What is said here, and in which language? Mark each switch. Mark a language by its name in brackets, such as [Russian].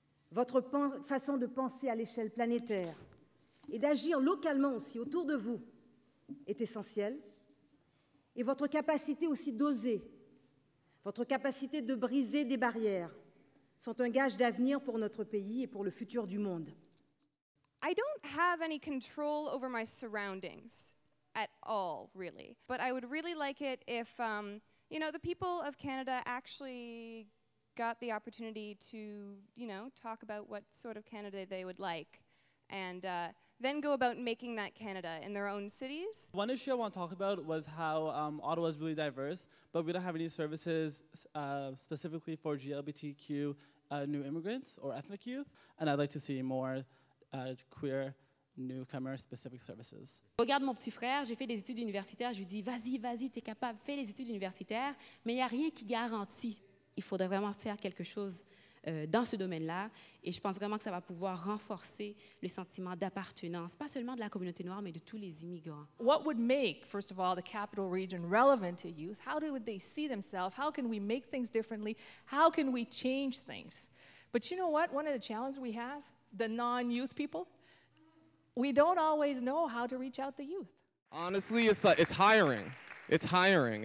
[French] Votre façon de penser à l'échelle planétaire et d'agir localement aussi autour de vous est essentielle. Et votre capacité aussi d'oser, votre capacité de briser des barrières, sont un gage d'avenir pour notre pays et pour le futur du monde. [English] I don't have any control over my surroundings at all, really. But I would really like it if, you know, the people of Canada actually got the opportunity to, you know, talk about what sort of Canada they would like and then go about making that Canada in their own cities. One issue I want to talk about was how Ottawa is really diverse, but we don't have any services specifically for GLBTQ new immigrants or ethnic youth, and I'd like to see more queer newcomer specific services. [French] Regarde mon petit frère, j'ai fait des études universitaires, je lui dis vas-y, t'es capable, fais les études universitaires, mais il n'y a rien qui garantit. Il faudrait vraiment faire quelque chose dans ce domaine-là, et je pense vraiment que ça va pouvoir renforcer le sentiment d'appartenance, pas seulement de la communauté noire, mais de tous les immigrants. [English] What would make, first of all, the capital region relevant to youth? How would they see themselves? How can we make things differently? How can we change things? But you know what? One of the challenges we have, the non-youth people, we don't always know how to reach out to youth. Honestly, it's hiring. It's hiring.